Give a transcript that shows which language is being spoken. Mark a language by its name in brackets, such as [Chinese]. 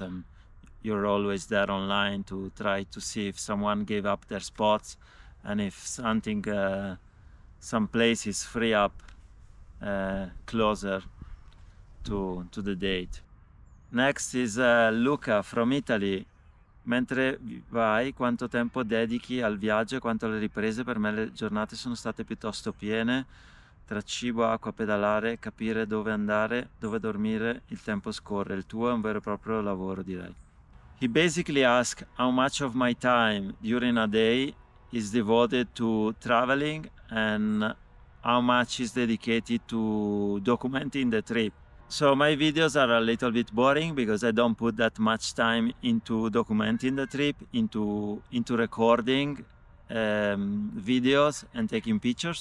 [English] And you're always there online to try to see if someone gave up their spots and if something, some place is free up closer to the date. Next is Luca from Italy. [Italian] Mentre vai, quanto tempo dedichi al viaggio e quanto alle riprese? Per me le giornate sono state piuttosto piene, tra cibo, acqua, pedalare, capire dove andare, dove dormire, il tempo scorre. Il tuo è un vero e proprio lavoro, direi. [English] He basically asks how much of my time during a day is devoted to traveling and how much is dedicated to documenting the trip. So my videos are a little bit boring because I don't put that much time into documenting the trip, into recording videos and taking pictures.